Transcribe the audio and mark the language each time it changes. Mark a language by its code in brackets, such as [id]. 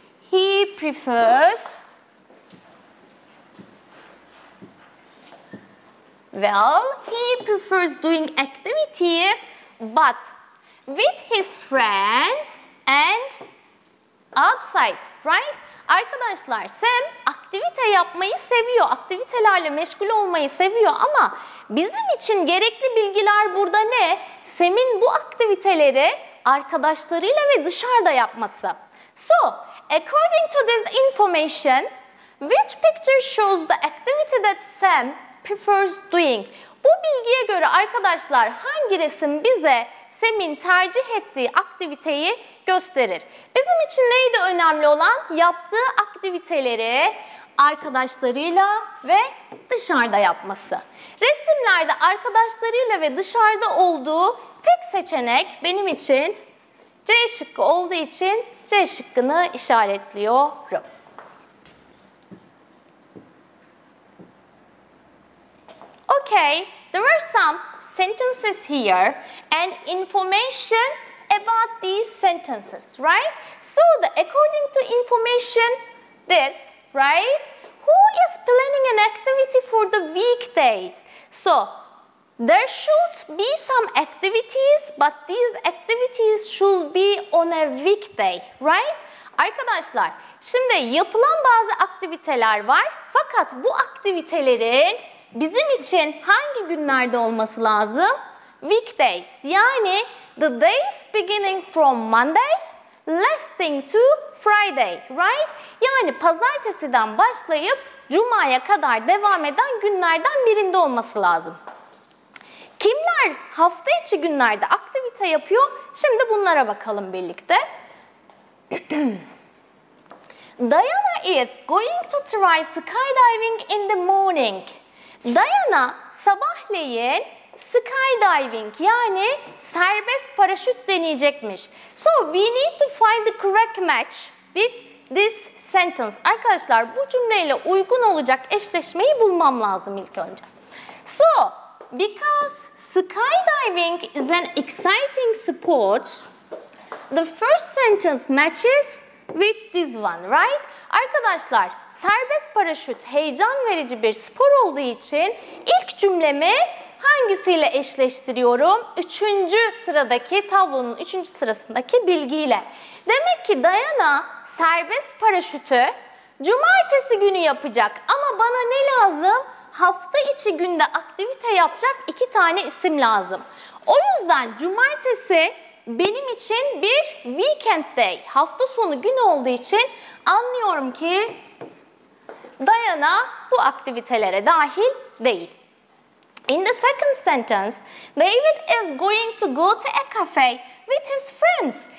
[en] He prefers Well, he prefers doing activities, but with his friends and outside, right? [tr] Arkadaşlar, Sam aktivite yapmayı seviyor, aktivitelerle meşgul olmayı seviyor ama bizim için gerekli bilgiler burada ne? Sam'in bu aktiviteleri arkadaşlarıyla ve dışarıda yapması. [en] So, according to this information, which picture shows the activity that Sam prefers doing? [tr] Bu bilgiye göre arkadaşlar hangi resim bize Sam'in tercih ettiği aktiviteyi gösterir? Bizim için neydi önemli olan? Yaptığı aktiviteleri arkadaşlarıyla ve dışarıda yapması. Resimlerde arkadaşlarıyla ve dışarıda olduğu tek seçenek benim için C şıkkı olduğu için C şıkkını işaretliyorum. [en] Okay, there are some sentences here and information about these sentences, right? So, according to information, this, right? Who is planning an activity for the weekdays? So, there should be some activities, but these activities should be on a weekday, right? [tr] Arkadaşlar, şimdi yapılan bazı aktiviteler var, fakat bu aktivitelerin bizim için hangi günlerde olması lazım? [en] Weekdays. [tr] Yani [en] the days beginning from Monday, lasting to Friday, right? [tr] Yani pazartesiden başlayıp cumaya kadar devam eden günlerden birinde olması lazım. Kimler hafta içi günlerde aktivite yapıyor? Şimdi bunlara bakalım birlikte. Diana is going to try skydiving in the morning. Diana sabahleyin skydiving yani serbest paraşüt deneyecekmiş. So we need to find the correct match with this sentence. Arkadaşlar bu cümleyle uygun olacak eşleşmeyi bulmam lazım ilk önce. So because skydiving is an exciting sport, the first sentence matches with this one, right? Arkadaşlar, serbest paraşüt heyecan verici bir spor olduğu için ilk cümlemi hangisiyle eşleştiriyorum? Üçüncü sıradaki tablonun üçüncü sırasındaki bilgiyle. Demek ki Diana serbest paraşütü cumartesi günü yapacak. Ama bana ne lazım? Hafta içi günde aktivite yapacak iki tane isim lazım. O yüzden cumartesi benim için bir [en] weekend day, [tr] hafta sonu günü olduğu için anlıyorum ki Diana bu aktivitelere dahil değil. [en] In the second sentence, David is going to go to a cafe with his friends.